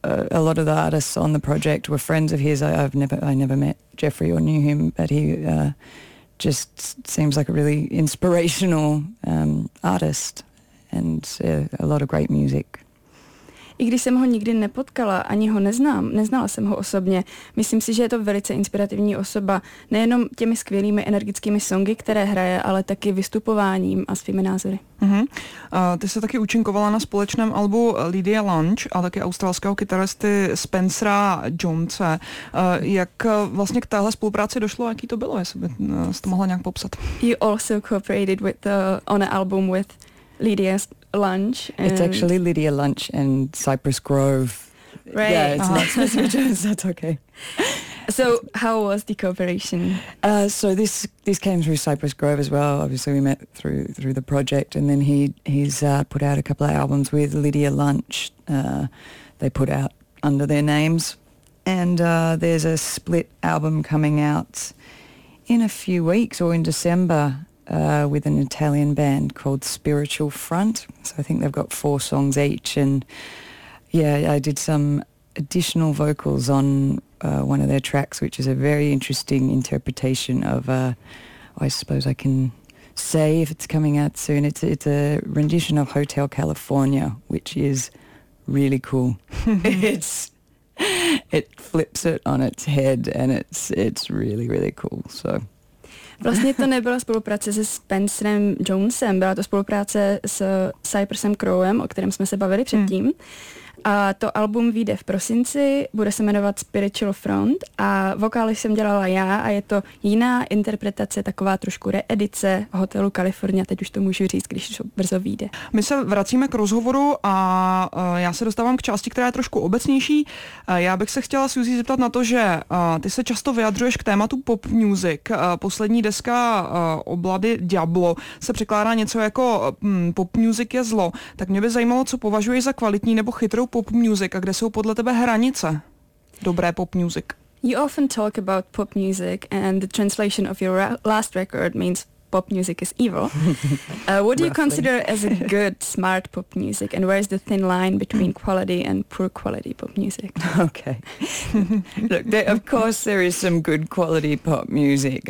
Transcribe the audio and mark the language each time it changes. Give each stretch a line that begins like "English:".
English: A lot of the artists on the project were friends of his. I never met Jeffrey or knew him, but he just seems like a really inspirational artist. And a lot of great music.
Czech: I když jsem ho nikdy nepotkala, ani ho neznám, neznala jsem ho osobně, myslím si, že je to velice inspirativní osoba, nejenom těmi skvělými energickými songy, které hraje, ale taky vystupováním a svými názory. Uh-huh. Ty se taky účinkovala na společném albu Lydia Lunch a taky australského kytaristy Spencera Jonese. Jak vlastně k téhle spolupráci došlo, jaký to bylo, jestli by to mohla nějak popsat?
English: You also cooperated with on an album with Lydia's Lunch. It's actually Lydia Lunch and Cypress Grove. Right. Yeah, it's not Spencer Jones, that's okay. So how was the cooperation? So this came through Cypress Grove as well. Obviously we met through the project, and then he's put out a couple of albums with Lydia Lunch. They put out under their names. And there's a split album coming out in a few weeks or in December with an Italian band called Spiritual Front. So I think they've got four songs each. And yeah, I did some additional vocals on one of their tracks, which is a very interesting interpretation of, I suppose I can say if it's coming out soon, it's a rendition of Hotel California, which is really cool. It flips it on its head and it's really, really cool. So
Czech: vlastně to nebyla spolupráce se Spencerem Jonesem, byla to spolupráce s Cypressem Crowem, o kterém jsme se bavili předtím. A to album vyjde v prosinci, bude se jmenovat Spiritual Front a vokály jsem dělala já a je to jiná interpretace, taková trošku reedice Hotelu California, teď už to můžu říct, když brzo vyjde. My se vracíme k rozhovoru a já se dostávám k části, která je trošku obecnější. Já bych se chtěla Suzy zeptat na to, že ty se často vyjadřuješ k tématu pop music. Poslední deska Oblady Diablo se překládá něco jako pop music je zlo. Tak mě by zajímalo, co považuješ za kvalitní nebo chytrý pop music a kde jsou podle tebe hranice dobré pop music.
English: You often talk about pop music and the translation of your last record means pop music is evil. What do you consider as a good smart pop music and where is the thin line between quality and poor quality pop music? Okay. Look, of course there is some good quality pop music.